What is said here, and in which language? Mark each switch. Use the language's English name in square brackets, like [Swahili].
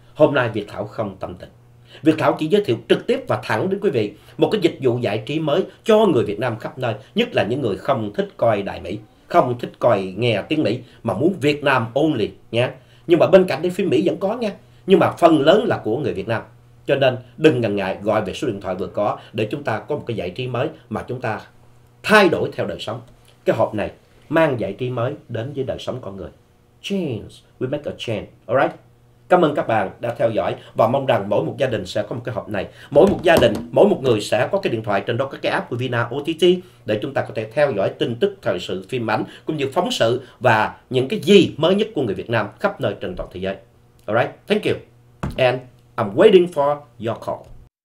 [Vietnamese] Hôm nay Việt Thảo không tâm tình. Việt Thảo chỉ giới thiệu trực tiếp và thẳng đến quý vị một cái dịch vụ giải trí mới cho người Việt Nam khắp nơi, nhất là những người không thích coi đài Mỹ, không thích coi nghe tiếng Mỹ mà muốn Việt Nam only nha. Nhưng mà bên cạnh đấy phim Mỹ vẫn có nha, nhưng mà phần lớn là của người Việt Nam. Cho nên đừng ngần ngại gọi về số điện thoại vừa có để chúng ta có một cái giải trí mới mà chúng ta thay đổi theo đời sống. Cái hộp này mang giải trí mới đến với đời sống con người. [English] Change, we make a change, alright? [Vietnamese] Cảm ơn các bạn đã theo dõi và mong rằng mỗi một gia đình sẽ có một cái hộp này. Mỗi một gia đình, mỗi một người sẽ có cái điện thoại trên đó, có cái app của Vina OTT để chúng ta có thể theo dõi tin tức thời sự, phim ảnh cũng như phóng sự và những cái gì mới nhất của người Việt Nam khắp nơi trên toàn thế giới. [English] Alright, thank you. And I'm waiting for your call.